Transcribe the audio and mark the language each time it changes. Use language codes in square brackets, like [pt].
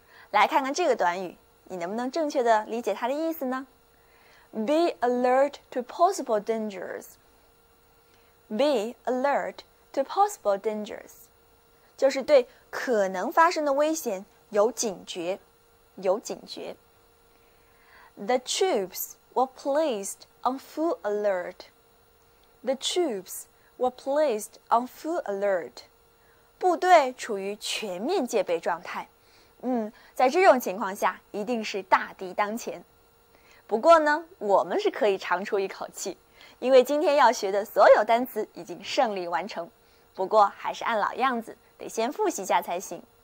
[zh] 来看看这个短语，你能不能正确地理解它的意思呢？ [en] Be alert to possible dangers. Be alert to possible dangers. [zh] 就是对可能发生的危险有警觉，有警觉。 [en] The troops were placed on full alert. The troops were placed on full alert. [zh] 部队处于全面戒备状态。嗯，在这种情况下，一定是大敌当前。不过呢，我们是可以长出一口气，因为今天要学的所有单词已经胜利完成。不过还是按老样子，得先复习一下才行。